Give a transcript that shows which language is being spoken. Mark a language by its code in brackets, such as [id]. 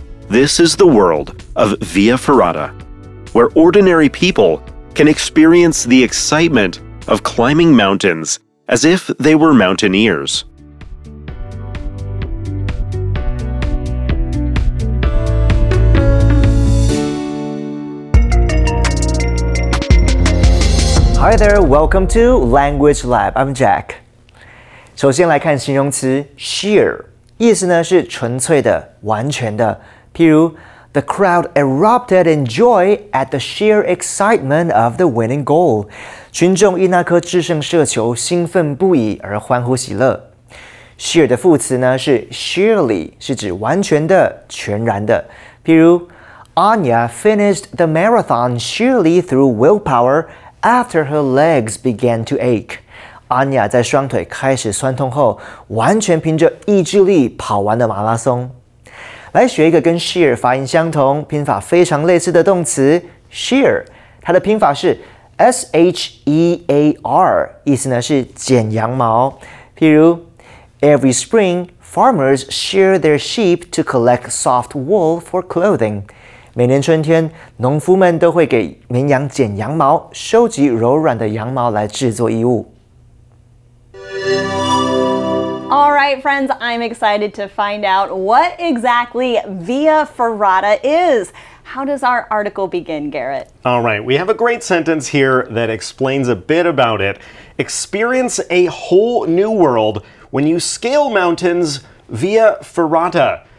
[en] This is the world of Via Ferrata, where ordinary people can experience the excitement of climbing mountains as if they were mountaineers. Hi there, welcome to Language Lab, I'm Jack. [zh] 首先来看形容词 sheer。意思呢是纯粹的、完全的。譬如 [en] ，The crowd erupted in joy at the sheer excitement of the winning goal。 [zh] 群众因那颗制胜射球兴奋不已而欢呼喜乐。 Sheer 的副词呢是 sheerly， 是指完全的、全然的。譬如 [en] ，Anya finished the marathon sheerly through willpower after her legs began to ache。 [zh] 安雅在双腿开始酸痛后，完全凭着意志力跑完了马拉松。来学一个跟 sheer 发音相同、拼法非常类似的动词 sheer， 它的拼法是 S-H-E-A-R， 意思呢是剪羊毛。譬如 [en] ，Every spring, farmers shear their sheep to collect soft wool for clothing。 [zh] 每年春天，农夫们都会给绵羊剪羊毛，收集柔软的羊毛来制作衣物。 [en] All right, friends, I'm excited to find out what exactly Via Ferrata is. How does our article begin, Garrett? All right, we have a great sentence here that explains a bit about it. Experience a whole new world when you scale mountains via ferrata.